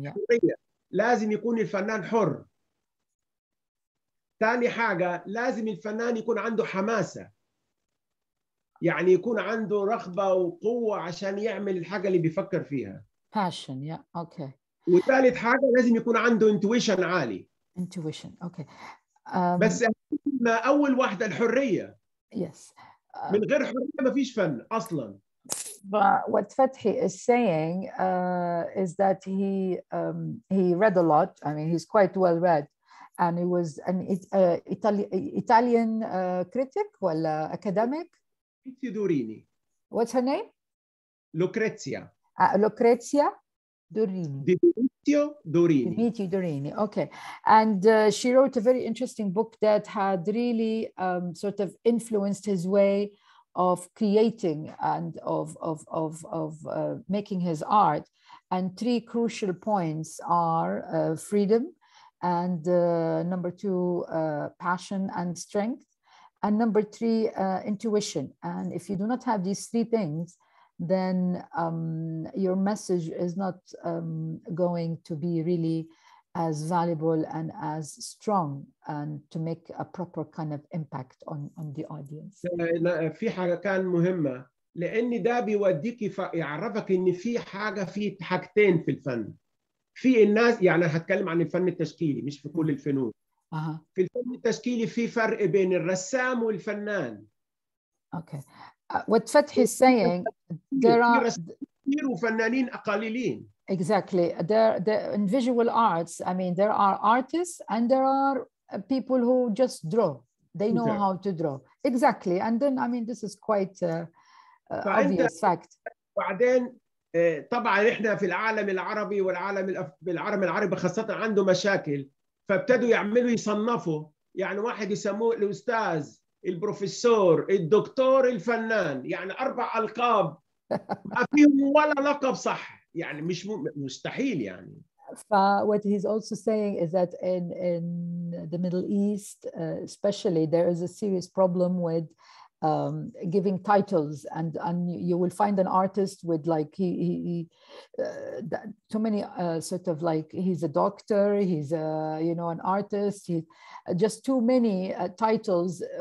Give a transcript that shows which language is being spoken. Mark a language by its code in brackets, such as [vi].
[ar] الحرية لازم يكون الفنان حر ثاني حاجة لازم الفنان يكون عنده حماسة يعني يكون عنده رغبة وقوة عشان يعمل الحاجة اللي بيفكر فيها [en] passion yeah okay [ar] وثالث حاجة لازم يكون عنده intuition عالي [en] intuition okay [ar] بس أول واحدة الحرية [en] yes [ar] من غير حرية ما فيش فن أصلا [en] what Fathi is saying is that he read a lot. I mean, he's quite well read, and he was an Italian critic, well, academic. Lucrezia Durini. What's her name? Lucrezia. Lucrezia Durini. Dimitri Durini. Okay. And she wrote a very interesting book that had really sort of influenced his way of creating and of making his art. And three crucial points are freedom, and number two, passion and strength. And number three, intuition. And if you do not have these three things, then your message is not going to be really as valuable and as strong and to make a proper kind of impact on the audience. [ar] في حاجة كان مهمة لأن ده بيوديك يعرفك إن في حاجة في حاجتين في الفن. في الناس يعني هتكلم عن الفن التشكيلي مش في كل الفنون. في الفن التشكيلي في فرق بين الرسام والفنان. [en] Okay. What Fathi is saying, there are [ar] فنانين أقاليين. [en] Exactly. In visual arts, I mean, there are artists and there are people who just draw. They know how to draw. Exactly. And then, I mean, this is quite obvious fact. [ar] بعدين طبعا إحنا في العالم العربي والعالم بالعالم العربي خاصة عنده مشاكل فابتدوا يعملوا يصنفوا يعني واحد يسموه الأستاذ. البروفيسور الدكتور الفنان يعني أربع ألقاب ما فيهم ولا لقب صح يعني مش مستحيل يعني. [en] What he's also saying is that in the Middle East especially there is a serious problem with giving titles and you will find an artist with like too many sort of like he's a doctor, he's a you know an artist, he's just too many titles.